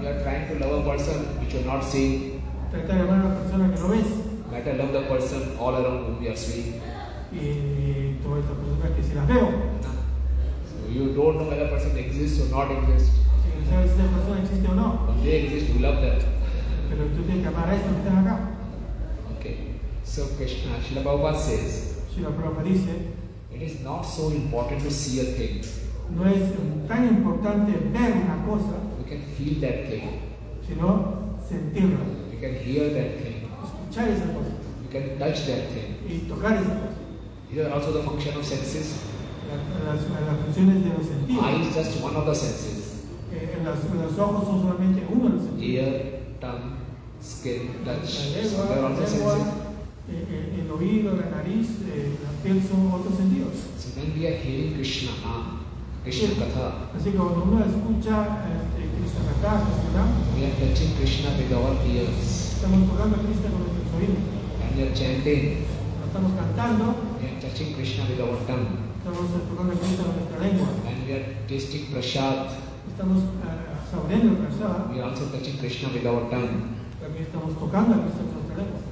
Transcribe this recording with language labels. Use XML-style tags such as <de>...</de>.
<en>You are trying to love a person which you are not seeing.</en> <es>Trata de amar a la persona que no ves.</es> <en>Better love the person all around whom you are seeing.</en> <es>Y toda esa persona que si la veo.</es> <en>So you don't know whether a person exists or not exists.</en> <es>¿Sabes si esa persona existe o no? Cuando ella existe,</es> <en>you love that.</en> <es>Pero tú tienes que amar a esto que están acá.</es> <en>Okay. So Krishna, Srila Prabhupada says.</en> <es>Srila Prabhupada dice.</es> <en>It is not so important to see a thing.</en> <es>No es tan importante ver una cosa.</es> <en>We can feel that thing.</en> <es>Sino sentirla.</es> <en>We can hear that thing.</en> <es>Escuchar esa cosa.</es> <en>We can touch that thing.</en> <es>Y tocar esa cosa.</es> <en>These are also the function of senses.</en> <es>Las funciones de los sentidos.</es> <en>Eye is just one of the senses.</en> <es>Los ojos son solamente uno de los sentidos.</es> <en>Ear, tongue, skin, touch.</en> <es>El oído, la nariz, la piel son otros sentidos.</es> <en>So then we are hearing Krishna Nam, Krishna Katha.</en> <es>Así que cuando uno escucha Krishna Katha, Krishna</es> <en>Nam, we are touching Krishna with our ears.</en> <es>Estamos tocando a Krishna con nuestros oídos.</es> <en>And we are chanting.</en> <es>Estamos cantando.</es> <en>We are touching Krishna with our tongue.</en> <es>Estamos tocando a Krishna con nuestra lengua.</es> <en>And we are tasting prasad.</en> <es>Estamos saboreando el prasad.</es> <en>We are also touching Krishna with our tongue.</en> <es>También estamos tocando a Krishna con nuestra lengua.</es>